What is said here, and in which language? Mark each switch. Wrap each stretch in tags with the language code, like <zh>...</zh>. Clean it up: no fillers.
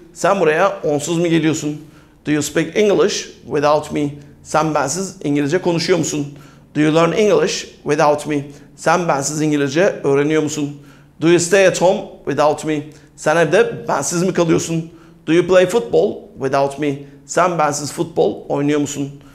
<tr>Sen buraya onsuz mu geliyorsun?</tr> <en>Do you speak English without me?</en> <tr>Sen bensiz İngilizce konuşuyor musun?</tr> <en>Do you learn English without me?</en> <tr>Sen bensiz İngilizce öğreniyor musun?</tr> <en>Do you stay at home without me?</en> <tr>Sen evde bensiz mi kalıyorsun?</tr> <en>Do you play football without me?</en> <tr>Sen bensiz futbol oynuyor musun?</tr>